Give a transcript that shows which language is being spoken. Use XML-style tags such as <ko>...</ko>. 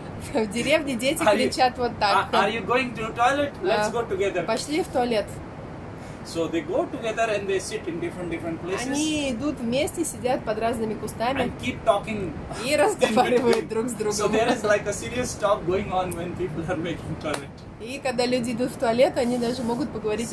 <ru>В деревне дети кричат вот так.</ru> <en>Are you going to toilet? Let's go together.</en> <ru>Пошли в туалет.</ru> <en>So they go together and they sit in different places.</en> <ru>Они идут вместе, сидят под разными кустами.</ru> <en>And keep talking.</en> <ru>И разговаривают друг с другом.</ru> <en>So there is like a serious talk going on when people are making toilet.</en> <ru>И когда люди идут в туалет, они даже могут поговорить</ru>